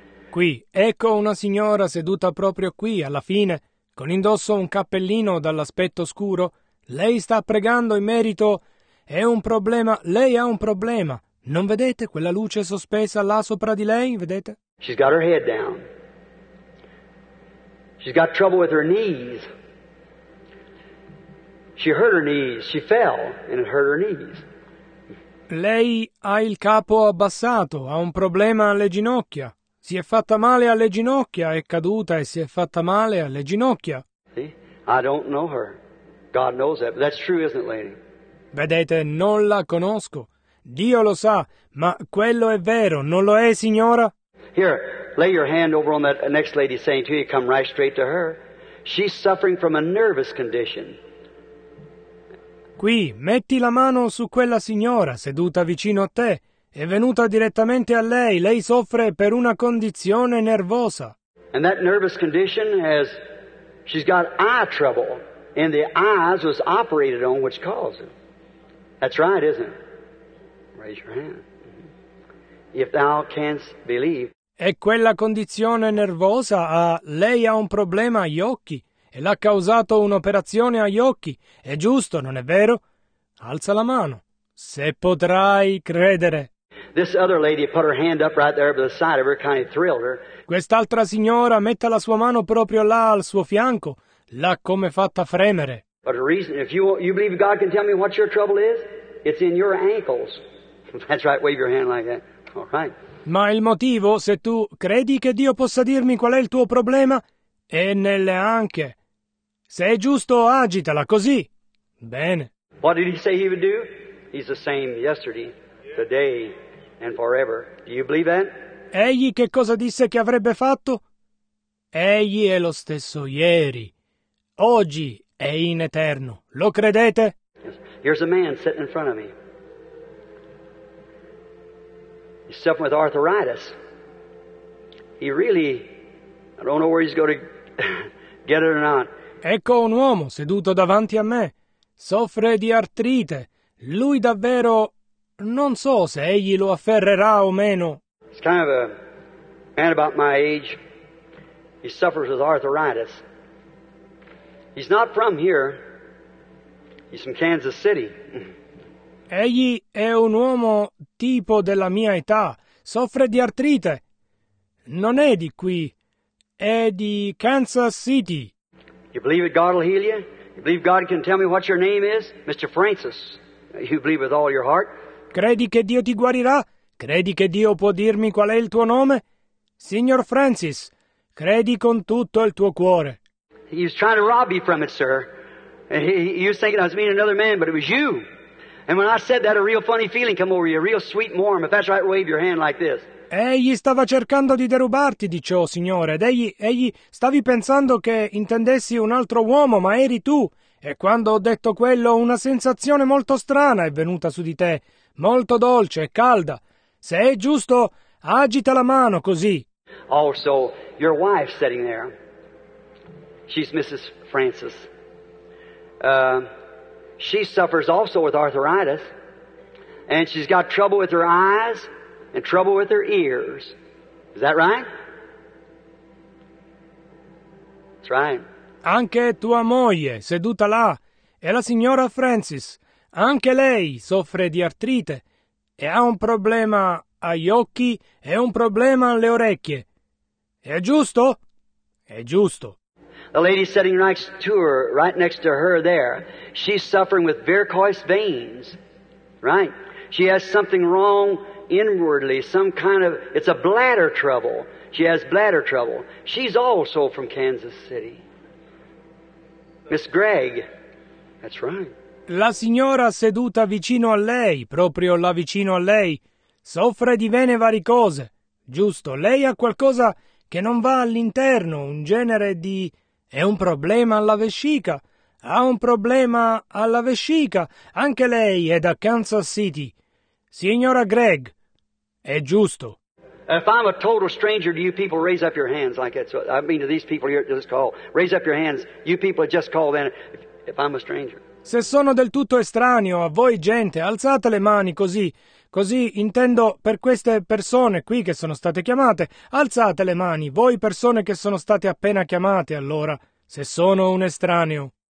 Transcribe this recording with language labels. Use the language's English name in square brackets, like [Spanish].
[Italian] Qui, ecco una signora seduta proprio qui, alla fine. Con indosso un cappellino dall'aspetto scuro, lei sta pregando in merito. È un problema, lei ha un problema. Non vedete quella luce sospesa là sopra di lei, vedete? [English] She's got her head down. She's got trouble with her knees. She hurt her knees, she fell and it hurt her knees. [Italian] Lei ha il capo abbassato, ha un problema alle ginocchia. Si è fatta male alle ginocchia, è caduta e si è fatta male alle ginocchia. [English] I don't know her. God knows that, but that's true, isn't it, lady? [Italian] Vedete, non la conosco. Dio lo sa, ma quello è vero, non lo è, signora? [English] Here, lay your hand over on that next lady saying to you, come right straight to her. She's suffering from a nervous condition. [Italian] Qui, metti la mano su quella signora seduta vicino a te. È venuta direttamente a lei. Lei soffre per una condizione nervosa. [English] And that nervous condition has, she's got eye trouble, and the eyes was operated on, which caused it. That's right, isn't it? Raise your hand. If thou canst believe. [Italian] E quella condizione nervosa ha, lei ha un problema agli occhi, e l'ha causato un'operazione agli occhi. È giusto, non è vero? Alza la mano. Se potrai credere. [English] This other lady put her hand up right there by the side of her, kind of thrilled her. [Italian] Quest'altra signora metta la sua mano proprio là al suo fianco, l'ha come fatta fremere. [English] But the reason, if you believe God can tell me what your trouble is, it's in your ankles. That's right, wave your hand like that. All right. [Italian] Ma il motivo, se tu credi che Dio possa dirmi qual è il tuo problema, è nelle anche. Se è giusto, agitala così. Bene. [English] What did he say he would do? He's the same yesterday. Today and forever. Do you believe that? [Italian] Egli che cosa disse che avrebbe fatto? Egli è lo stesso ieri, oggi e in eterno. Lo credete? [English] Yes. Here's a man sitting in front of me. He's suffering with arthritis. He really, I don't know where he's going to get it or not. [Italian] Ecco un uomo seduto davanti a me. Soffre di artrite. Lui davvero... Non so se egli lo afferrerà o meno. [English] He's kind of a man about my age. He suffers with arthritis. He's not from here. He's from Kansas City. [Italian] Egli è un uomo tipo della mia età. Soffre di artrite. Non è di qui. È di Kansas City. [English] You believe that God will heal you? You believe God can tell me what your name is? Mr. Francis, you believe with all your heart? [Italian] Credi che Dio ti guarirà? Credi che Dio può dirmi qual è il tuo nome? Signor Francis, credi con tutto il tuo cuore. [English] He was trying to rob you from it, sir. He was thinking I was meeting another man, but it was you. And when I said that, a real funny feeling came over you, a real sweet and warm. If that's right, wave your hand like this. [Italian] Egli stava cercando di derubarti di ciò, signore, ed egli stavi pensando che intendessi un altro uomo, ma eri tu. E quando ho detto quello, una sensazione molto strana è venuta su di te. Molto dolce e calda. Se è giusto, agita la mano così. [English] Oh, so your wife sitting there. She's Mrs. Francis. She suffers also with arthritis. And she's got trouble with her eyes and trouble with her ears. Is that right? That's right. [Italian] Anche tua moglie, seduta là, è la signora Francis. Anche lei soffre di artrite e ha un problema agli occhi e un problema alle orecchie. È giusto? È giusto. [English] The lady sitting next to her, right next to her there, she's suffering with varicose veins. Right? She has something wrong inwardly, some kind of, it's a bladder trouble. She has bladder trouble. She's also from Kansas City. Miss Gregg. That's right. [Italian] La signora seduta vicino a lei, proprio là vicino a lei, soffre di vene varicose. Giusto, lei ha qualcosa che non va all'interno, un genere di... È un problema alla vescica. Ha un problema alla vescica. Anche lei è da Kansas City. Signora Gregg, è giusto. [English] If I'm a total stranger to you people, raise up your hands like that. So, I mean to these people here at this call. Raise up your hands. You people just call in. If I'm a stranger. [Italian] Se sono del tutto estraneo a voi gente, alzate le mani così. Così intendo per queste persone qui che sono state chiamate. Alzate le mani, voi persone che sono state appena chiamate, allora, se sono un estraneo.